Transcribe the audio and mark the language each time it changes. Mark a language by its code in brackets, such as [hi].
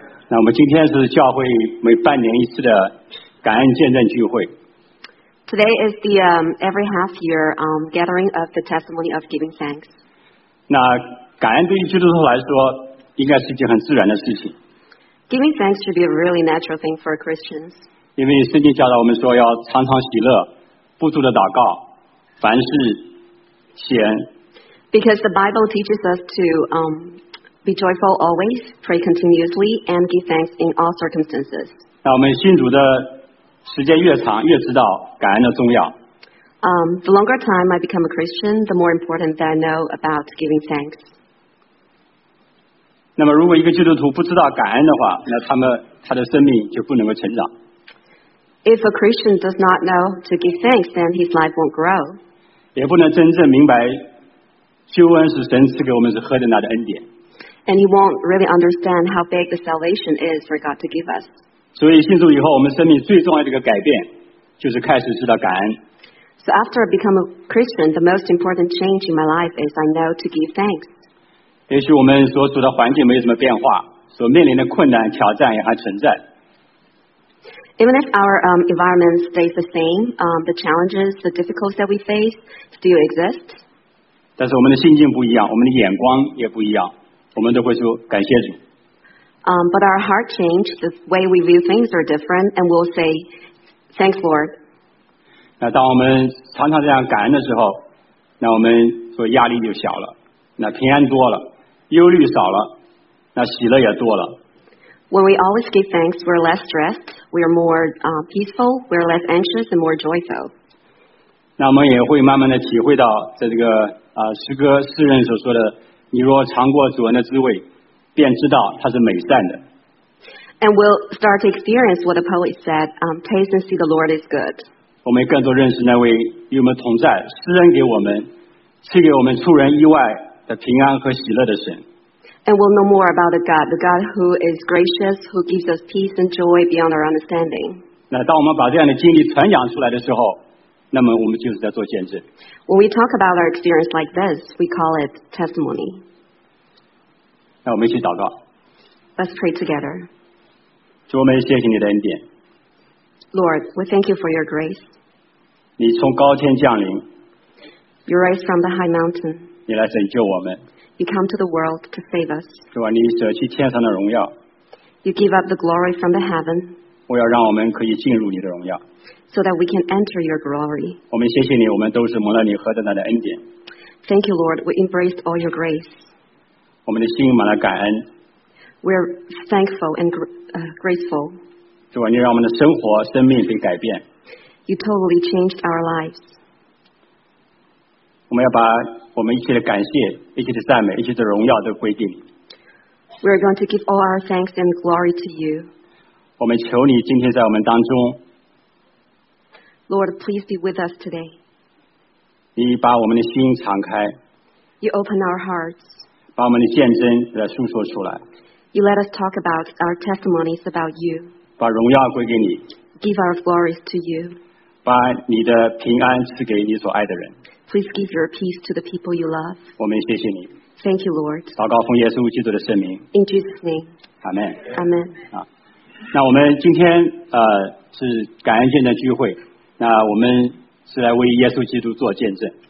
[zh] 那我们今天是教会每半年一次的感恩见证聚会。 [en] Today is the every half year gathering of the testimony of giving thanks. [zh] 那感恩对于基督徒来说，应该是一件很自然的事情。 [en] Giving thanks should be a really natural thing for Christians. [zh] 因为圣经教导我们说要常常喜乐，不住的祷告，凡事谢恩。 [en] Because the Bible teaches us to be joyful always, pray continuously, and give thanks in all circumstances. [zh] 那我们信主的时间越长，越知道感恩的重要。 [en] The longer time I become a Christian, the more important that I know about giving thanks. [zh] 那么，如果一个基督徒不知道感恩的话，那他的生命就不能够成长。 [en] If a Christian does not know to give thanks, then his life won't grow. [zh] 也不能真正明白救恩是神赐给我们是何等大的恩典。 [en] And he won't really understand how big the salvation is for God to give us. [zh] 所以信主以后，我们生命最重要的一个改变，就是开始知道感恩。 [en] So after I become a Christian, the most important change in my life is I know to give thanks. [zh] 也许我们所处的环境没有什么变化，所面临的困难挑战也还存在。 [en] Even if our environment stays the same, the challenges, the difficulties that we face still exist. [zh] 但是我们的心境不一样，我们的眼光也不一样。我们都会说感谢主。 [en] But our heart changed. The way we view things are different, and we'll say, "Thanks, Lord." [zh] 那当我们常常这样感恩的时候，那我们说压力就小了，那平安多了，忧虑少了，那喜乐也多了。 [en] When we always give thanks, we're less stressed. We're more peaceful. We're less anxious and more joyful. [zh] 那我们也会慢慢的体会到，在这个诗歌诗人所说的。你若尝过主恩的滋味，便知道它是美善的。 [en] And we'll start to experience what the poet said, taste and see the Lord is good. [zh] 我们更多认识那位与我们同在、施恩给我们、赐给我们出人意外的平安和喜乐的神。 [en] And we'll know more about the God who is gracious, who gives us peace and joy beyond our understanding. [zh] 那当我们把这样的经历传扬出来的时候，那么我们就是在做见证。 [en] When we talk about our experience like this, we call it testimony. [zh] 那我们一起祷告。 [en] Let's pray together. [zh] 主，我们谢谢你的恩典。 [en] Lord, we thank you for your grace. [zh] 你从高天降临。 [en] You rise from the high mountain. [zh] 你来拯救我们。 [en] You come to the world to save us. [zh] 主啊，你舍弃天上的荣耀。 [en] You give up the glory from the heaven. [zh] 我要让我们可以进入你的荣耀。 [en] So that we can enter your glory. [zh] 我们谢谢你，我们都是蒙了你何等大的恩典。 [en] Thank you, Lord. We embraced all your grace. [zh] 我们的心满了感恩。 [en] We're thankful and grateful. [zh] 主啊，你让我们的生活、生命被改变。 [en] You totally changed our lives. [zh] 我们要把我们一切的感谢、一切的赞美、一切的荣耀都归给你。 [en] We're going to give all our thanks and glory to you. [zh] 我们求你今天在我们当中。 [en] Lord, please be with us today. [zh] 你把我们的心敞开。 [en] You open our hearts. [zh] 把我们的见证来诉说出来。 [en] You let us talk about our testimonies about you. [zh] 把荣耀归给你。 [en] Give our glories to you. [zh] 把你的平安赐给你所爱的人。 [en] Please give your peace to the people you love. [zh] 我们谢谢你。 [en] Thank you, Lord. [zh] 祷告奉耶稣基督的圣名。 [en] In Jesus' name. Amen. Amen. [zh] 那我们今天是感恩见证聚会。那我们是来为耶稣基督做见证。